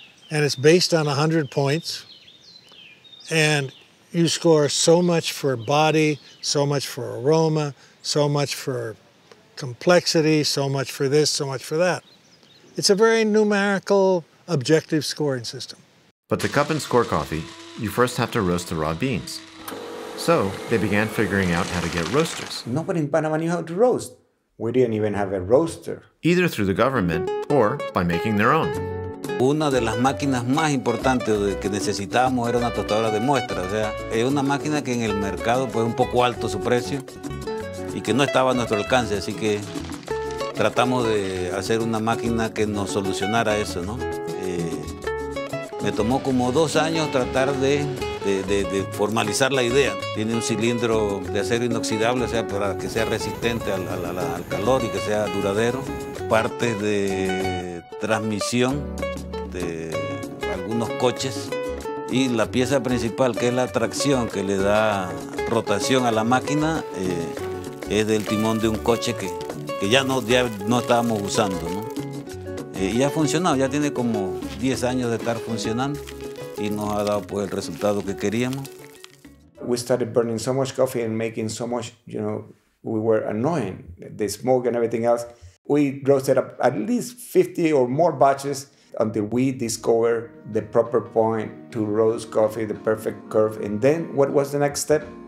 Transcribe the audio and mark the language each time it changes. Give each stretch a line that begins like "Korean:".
English: And it's based on 100 points. And you score so much for body, so much for aroma, so much for complexity, so much for this, so much for that. It's a very numerical objective scoring system. But to cup and score coffee, you first have to roast the raw beans. So they began figuring out how to get roasters. Nobody in Panama knew how to roast. We didn't even have a roaster. Either through the government or by making their own.
Spanish: Una de las máquinas más importantes que necesitábamos era una tostadora de muestra. O sea, es una máquina que en el mercado fue un poco alto su precio y que no estaba a nuestro alcance. Así que tratamos de hacer una máquina que nos solucionara eso, ¿no? Me tomó como 2 años tratar de formalizar la idea. Tiene un cilindro de acero inoxidable, o sea, para que sea resistente al calor y que sea duradero. Partes de transmisión de algunos coches. Y la pieza principal, que es la tracción, que le da rotación a la máquina, es del timón de un coche que ya no estábamos usando, ¿no? Y ha funcionado, ya tiene como 10 años de estar funcionando y nos ha dado pues el resultado que queríamos.
English: We started burning so much coffee and making so much, you know, we were annoying, the smoke and everything else. We roasted up at least 50 or more batches until we discovered the proper point to roast coffee, the perfect curve. And then what was the next step?